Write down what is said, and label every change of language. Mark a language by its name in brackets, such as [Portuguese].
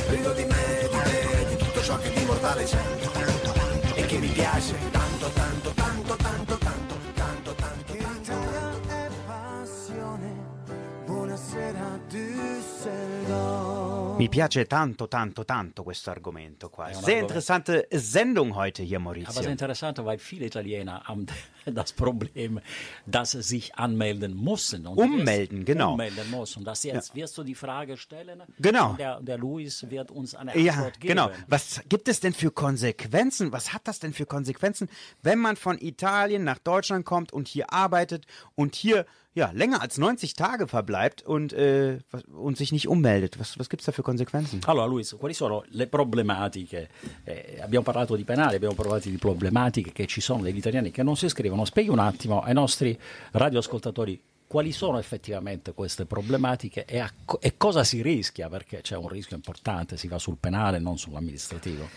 [Italian] Rido di me, di te, di tutto ciò che di mortale c'è. E che mi piace tanto, tanto. Mi piace tanto, tanto, tanto questo argomento qua. [German] Sehr interessante Sendung heute hier, Maurizio. Aber sehr interessant, weil viele Italiener haben das Problem, dass sie sich anmelden müssen. Und ummelden, jetzt, genau. Ummelden muss. Und das jetzt, ja, wirst du die Frage stellen. Genau. Der Luis wird uns eine Antwort, ja, geben. Genau. Was gibt es denn für Konsequenzen? Was hat das denn für Konsequenzen, wenn man von Italien nach Deutschland kommt und hier arbeitet und hier, ja, länger als 90 Tage verbleibt und sich nicht ummeldet? Was gibt es da für Konsequenzen? [Italian] Allora, Luis, quali sono le problematiche? Abbiamo parlato di penali, abbiamo parlato di problematiche che ci sono degli italiani che non si iscrivono. Spieghi un attimo ai nostri radioascoltatori quali sono effettivamente queste problematiche e cosa si rischia, perché c'è un rischio importante, si va sul penale, non sull'amministrativo.